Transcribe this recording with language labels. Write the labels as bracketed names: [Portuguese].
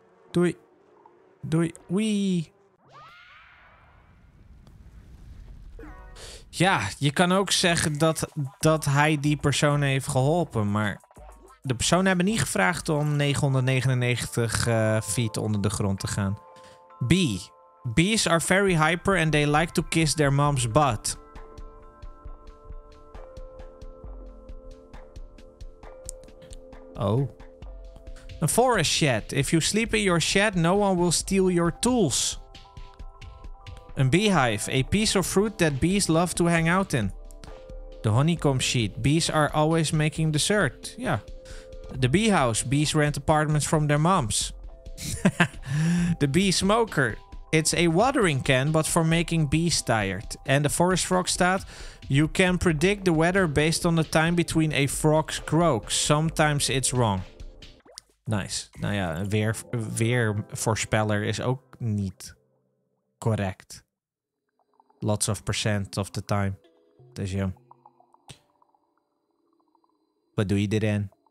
[Dutch] Doei. Doei. Wee. Ja, je kan ook zeggen dat hij die persoon heeft geholpen, maar... De personen hebben niet gevraagd om 999 feet onder de grond te gaan. [English] Bees are very hyper and they like to kiss their mom's butt. Oh. A forest shed. If you sleep in your shed, no one will steal your tools. A beehive. A piece of fruit that bees love to hang out in. The honeycomb sheet. Bees are always making dessert. Yeah. The bee house. Bees rent apartments from their moms. The bee smoker. It's a watering can, but for making bees tired. And the forest frog staat. You can predict the weather based on the time between a frog's croak. Sometimes it's wrong. Nice. [Dutch] Nou ja, weer voorspeller is ook niet correct. [English] Lots of percent of the time. [Dutch] Dus ja. Wat doe je dit in?